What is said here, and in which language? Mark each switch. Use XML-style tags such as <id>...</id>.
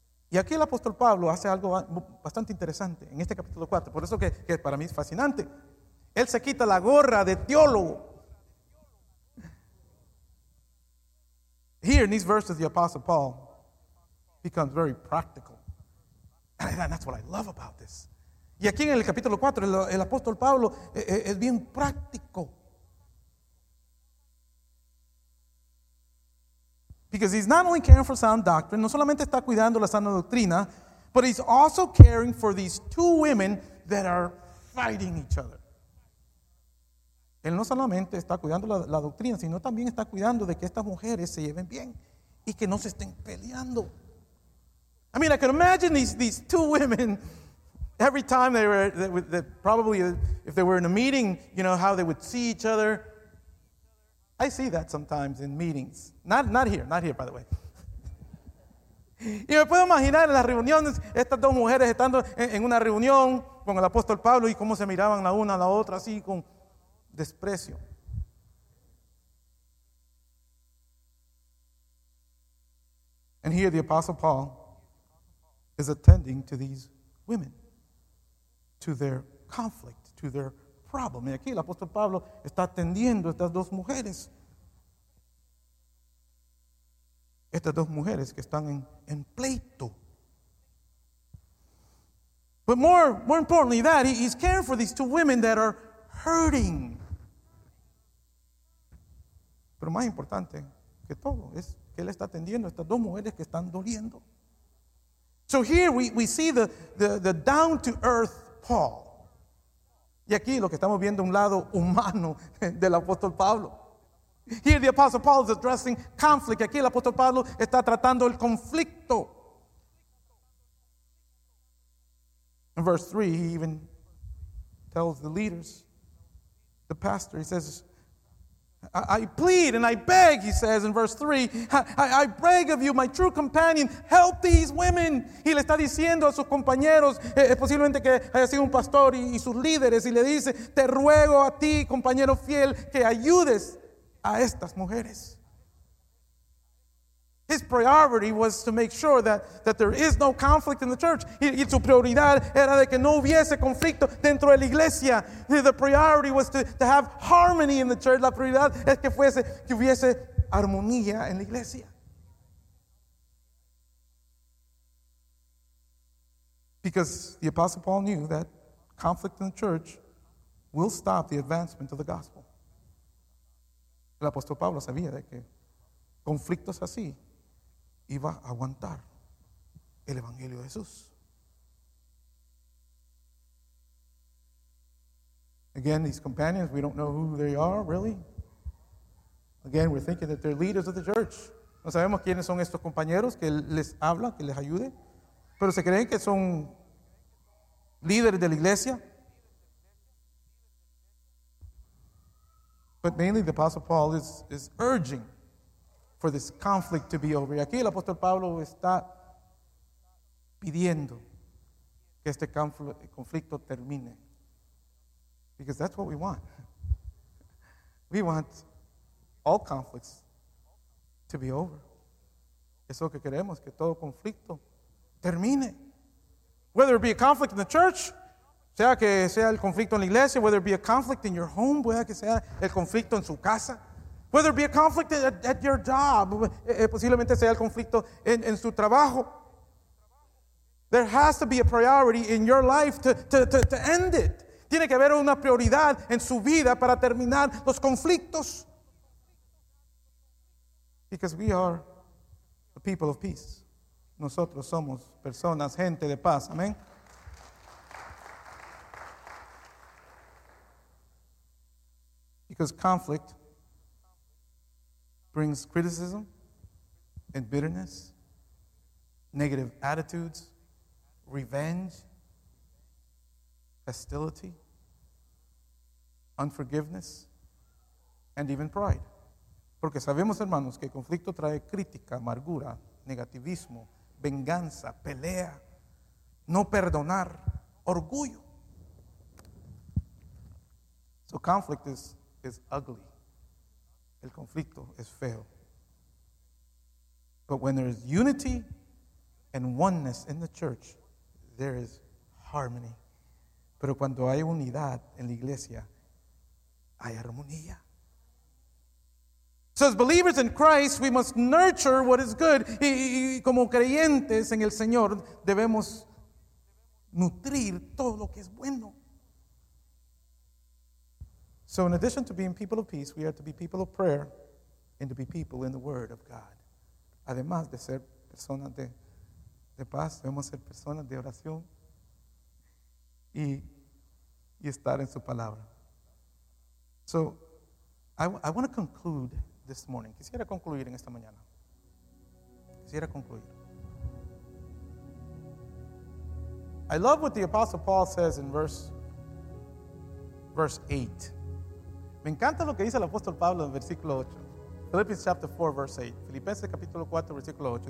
<es>Y aquí el apóstol Pablo hace algo bastante interesante en este capítulo 4. Por eso que para mí es fascinante. Él se quita la gorra de teólogo.</es> <en>Here in these verses, the apostle Paul becomes very practical. And that's what I love about this.</en> <es>Y aquí en el capítulo 4, el apóstol Pablo es bien práctico.</es> <en>Because he's not only caring for sound doctrine,</en> <es>no solamente está cuidando la sana doctrina,</es> <en>but he's also caring for these two women that are fighting each other.</en> <es>Él no solamente está cuidando la doctrina, sino también está cuidando de que estas mujeres se lleven bien y que no se estén peleando.</es> <en>I mean, I can imagine these two women, every time they were, probably if they were in a meeting, you know, how they would see each other. I see that sometimes in meetings. Not here, by the way.</en> <es>Y me puedo imaginar en las reuniones, estas dos mujeres estando en una reunión con el apóstol Pablo y cómo se miraban la una a la otra así con desprecio.</es> <en>And here the apostle Paul is attending to these women, to their conflict, to their problem.</en> <es>Y aquí el apóstol Pablo está atendiendo a estas dos mujeres. Estas dos mujeres que están en pleito.</es> <en>But more importantly that, he's caring for these two women that are hurting.</en> <es>Pero más importante que todo es que él está atendiendo a estas dos mujeres que están doliendo.</es> <en>So here we see the down-to-earth Paul.</en> <es>Y aquí lo que estamos viendo un lado humano del apóstol Pablo.</es> <en>Here the Apostle Paul is addressing conflict.</en> <es>Aquí el apóstol Pablo está tratando el conflicto.</es> <en>In verse 3, he even tells the leaders, the pastor, he says, I plead and I beg, he says in verse 3, I beg of you, my true companion, help these women.</en> <es>Y le está diciendo a sus compañeros, posiblemente que haya sido un pastor y sus líderes, y le dice, te ruego a ti, compañero fiel, que ayudes a estas mujeres.</es> <en>His priority was to make sure that there is no conflict in the church.</en> <es>Y su prioridad era de que no hubiese conflicto dentro de la iglesia.</es> <en>The priority was to have harmony in the church.</en> <es>La prioridad es que hubiese armonía en la iglesia.</es> <en>Because the Apostle Paul knew that conflict in the church will stop the advancement of the gospel.</en> <es>El apóstol Pablo sabía de que conflictos así iba a aguantar el evangelio de Jesús.</es> <en>Again, these companions, we don't know who they are, really. Again, we're thinking that they're leaders of the church.</en> <es>No sabemos quiénes son estos compañeros que les habla, que les ayude, pero se creen que son líderes de la iglesia.</es> <en>But mainly the Apostle Paul is urging for this conflict to be over.</en> <es>Y aquí el apóstol Pablo está pidiendo que este conflicto termine.</es> <en>Because that's what we want. We want all conflicts to be over.</en> <es>Eso que queremos, que todo conflicto termine.</es> <en>Whether it be a conflict in the church,</en> <es>sea que sea el conflicto en la iglesia,</es> <en>whether it be a conflict in your home,</en> <es>pueda que sea el conflicto en su casa,</es> <en>whether it be a conflict at your job,</en> <es>posiblemente sea el conflicto en su trabajo.</es> <en>There has to be a priority in your life to end it.</en> <es>Tiene que haber una prioridad en su vida para terminar los conflictos.</es> <en>Because we are the people of peace.</en> <es>Nosotros somos personas, gente de paz. Amén.</es> <en>Because conflict brings criticism and bitterness, negative attitudes, revenge, hostility, unforgiveness, and even pride.</en> <es>Porque sabemos, hermanos, que conflicto trae crítica, amargura, negativismo, venganza, pelea, no perdonar, orgullo.</es> <en>So conflict is ugly.</en> <es>El conflicto es feo.</es> <en>But when there is unity and oneness in the church, there is harmony.</en> <es>Pero cuando hay unidad en la iglesia, hay armonía.</es> <en>So as believers in Christ, we must nurture what is good.</en> <es>Y como creyentes en el Señor, debemos nutrir todo lo que es bueno.</es> <en>So in addition to being people of peace, we are to be people of prayer and to be people in the Word of God.</en> <es>Además de ser personas de paz, debemos ser personas de oración y estar en su palabra.</es> <en>So I want to conclude this morning.</en> <es>Quisiera concluir en esta mañana. Quisiera concluir.</es> <en>I love what the Apostle Paul says in verse 8.</en> <es>Me encanta lo que dice el apóstol Pablo en versículo 8.</es> <en>Philippians chapter 4, verse 8.</en> <es>Filipenses capítulo 4, versículo 8.</es>